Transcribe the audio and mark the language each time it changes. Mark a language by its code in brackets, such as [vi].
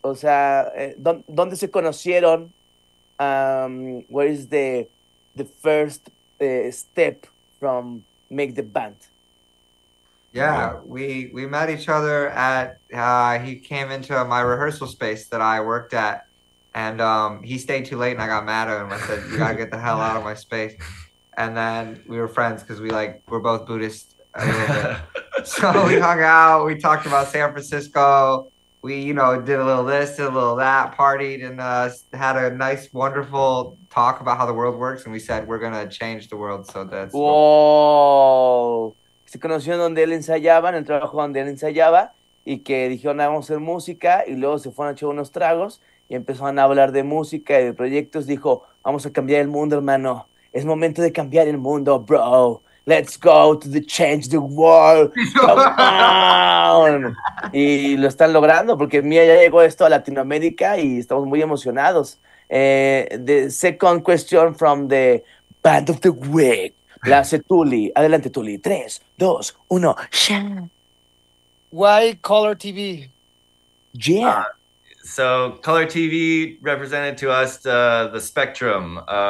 [es] O sea, ¿dónde se conocieron? [en] Where is the first step from make the band? Yeah, we met each other at, he came into my rehearsal space that I worked at, and he stayed too late, and I got mad at him. I said, you gotta get the hell out of my space. And then we were friends, because we're both Buddhist. So we hung out, we talked about San Francisco, we, you know, did a little this, did a little that, partied, and had a nice, wonderful talk about how the world works, and we said, we're gonna change the world, so that's... Whoa! [es] Se conoció donde él ensayaba, en el trabajo donde él ensayaba, y que dijeron, vamos a hacer música, y luego se fueron a echar unos tragos, y empezaron a hablar de música y de proyectos, dijo, vamos a cambiar el mundo, hermano, es momento de cambiar el mundo, bro, [en] let's go to the change the world, come on. [es] Y lo están logrando, porque mira, ya llegó esto a Latinoamérica, y estamos muy emocionados. [en] The second question from the band of the week. [es] La hace Tuli. Adelante, Tuli. 3, 2, 1. [en] Why Color TV? Yeah. So Color TV represented to us the spectrum.